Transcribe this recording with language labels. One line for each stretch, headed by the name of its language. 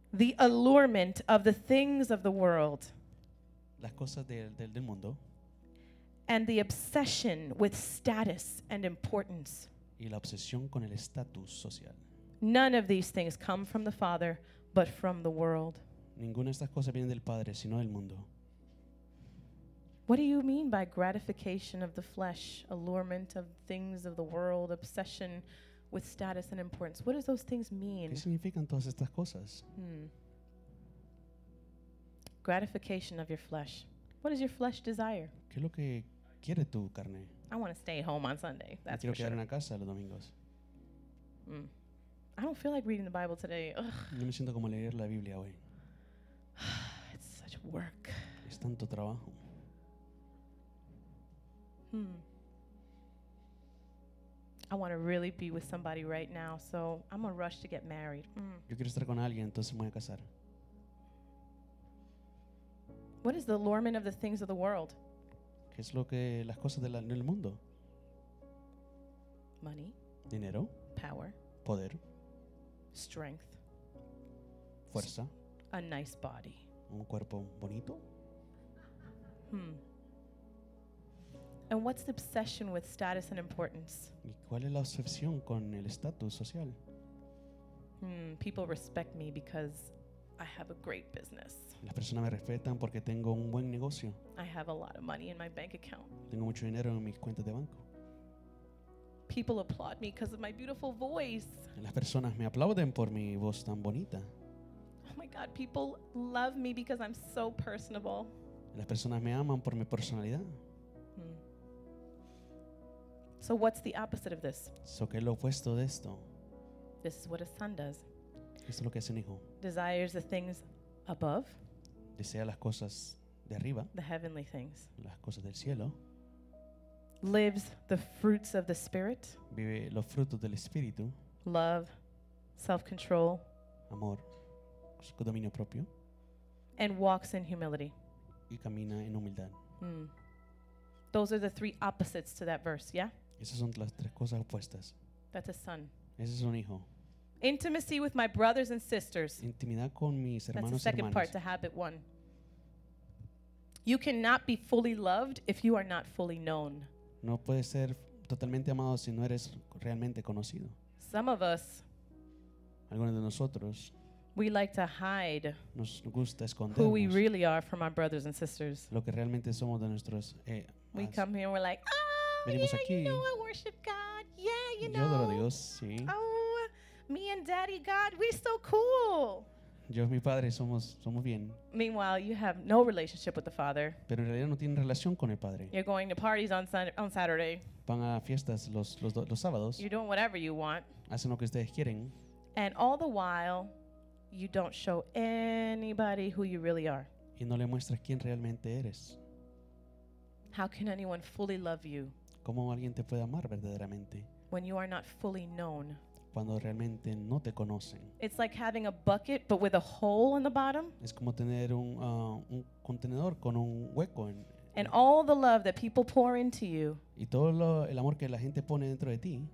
English: The allurement of the things of the world.
Spanish: Las cosas del mundo.
English: And the obsession with status and importance.
Spanish: Y la obsesión con el estatus social.
English: None of these things come from the Father, but from the world.
Spanish: Ninguna de estas cosas vienen del Padre, sino del mundo.
English: What do you mean by gratification of the flesh, allurement of things of the world, obsession with status and importance? What do those things mean?
Spanish: ¿Qué significan todas estas cosas?
English: Gratification of your flesh. What does your flesh desire?
Spanish: ¿Qué es lo que quiere tu carne?
English: I want to stay home on Sunday. That's
Spanish: quiero
English: for
Spanish: quedar
English: sure.
Spanish: En la casa los domingos.
English: I don't feel like reading the Bible today.
Spanish: No me siento como leer la Biblia hoy.
English: It's such work.
Spanish: Es tanto trabajo.
English: I want to really be with somebody right now, so I'm gonna rush to get married.
Spanish: Yo quiero estar con alguien, entonces me voy a casar.
English: What is the allurement of the things of the world?
Spanish: ¿Qué es lo que las cosas del de mundo?
English: Money.
Spanish: Dinero.
English: Power.
Spanish: Poder.
English: Strength.
Spanish: Fuerza.
English: A nice body.
Spanish: Un cuerpo bonito.
English: And what's the obsession with status and importance?
Spanish: ¿Y cuál es la obsesión con el estatus social?
English: People respect me because I have a great business.
Spanish: Las personas me respetan porque tengo un buen negocio.
English: I have a lot of money in my bank account.
Spanish: Tengo mucho dinero en mis cuentas de banco.
English: People applaud me because of my beautiful voice.
Spanish: Las personas me aplauden por mi voz tan bonita.
English: Oh my God, people love me because I'm so personable.
Spanish: Las personas me aman por mi personalidad.
English: So what's the opposite of this?
Spanish: So ¿qué es lo opuesto de esto?
English: This is what a son does.
Spanish: Esto es lo que hace un hijo.
English: Desires the things above.
Spanish: Desea las cosas de arriba.
English: The heavenly things.
Spanish: Las cosas del cielo.
English: Lives the fruits of the spirit.
Spanish: Vive los frutos del espíritu.
English: Love, self-control.
Spanish: Amor, dominio propio.
English: And walks in humility.
Spanish: Y camina en humildad.
English: Those are the three opposites to that verse, yeah?
Spanish: Esas son las tres cosas opuestas.
English: That's a son.
Spanish: Ese es un hijo.
English: Intimacy with my brothers and sisters.
Spanish: Intimidad con mis hermanos.
English: That's the second part to habit one. You cannot be fully loved if you are not fully known.
Spanish: No puedes ser totalmente amado si no eres realmente conocido.
English: Some of us.
Spanish: Algunos de nosotros.
English: We like to hide.
Spanish: Nos gusta esconder.
English: Who we really are from our brothers and sisters.
Spanish: Lo que realmente somos de nuestros.
English: We come here and we're like, oh,
Spanish: venimos
English: yeah,
Spanish: aquí.
English: You know I worship God. Yeah, you know.
Spanish: Yo adoro a Dios, sí.
English: Oh. Me and Daddy God, we're so cool.
Spanish: Yo y mi padre somos bien.
English: Meanwhile, you have no relationship with the Father.
Spanish: Pero en realidad no tienen relación con el Padre.
English: You're going to parties on Saturday.
Spanish: Van a fiestas los sábados.
English: You're doing whatever you want.
Spanish: Hacen lo que ustedes quieren.
English: And all the while, you don't show anybody who you really are.
Spanish: Y no le muestras quién realmente eres.
English: How can anyone fully love you?
Spanish: ¿Cómo alguien te puede amar verdaderamente?
English: When you are not fully known.
Spanish: Cuando realmente no te conocen.
English: It's like having a bucket but with a hole in the bottom.
Spanish: Es como tener un contenedor con un hueco en.
English: And all the love that people pour into you.
Spanish: Y todo el amor que la gente pone dentro de ti.